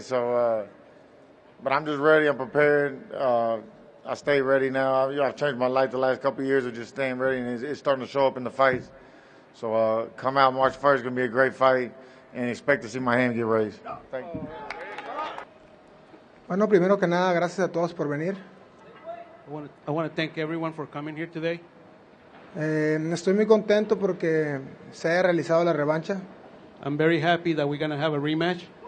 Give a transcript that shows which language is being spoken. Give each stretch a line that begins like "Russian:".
English: So. But I'm just ready. I'm prepared. I stay ready now. I've changed my life the last couple of years of just staying ready, and it's starting to show up in the fights. So come out March 1st. It's going to be a great fight, and expect to see my hand get raised. Thank you.
Spanish: Bueno, primero que nada, gracias a todos por venir.
English: I want to thank everyone for coming here today.
Spanish: Estoy muy contento porque se haya realizado la revancha.
English: I'm very happy that we're going to have a rematch.